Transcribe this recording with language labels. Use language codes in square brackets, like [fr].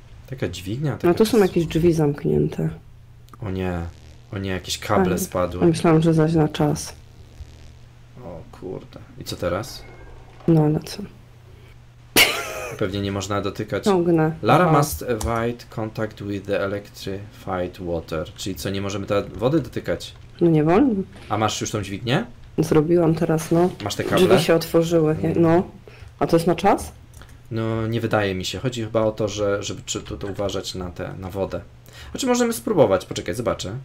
[pl] Taka dźwignia? No to są jakieś drzwi zamknięte. O nie. O nie, jakieś kable tak. spadły. Myślałam, że zaś na czas. O kurde. I co teraz? No ale co? Pewnie nie można dotykać. Ciągnę. [en] Lara must avoid contact with the electrified water. [pl] Czyli co, nie możemy teraz wody dotykać? No nie wolno. A masz już tą dźwignię? Zrobiłam teraz, no. Masz te kable? Drzwi się otworzyły, no. A to jest na czas? No, nie wydaje mi się. Chodzi chyba o to, że żeby to uważać na te, na wodę. Znaczy, możemy spróbować. Poczekaj, zobaczę.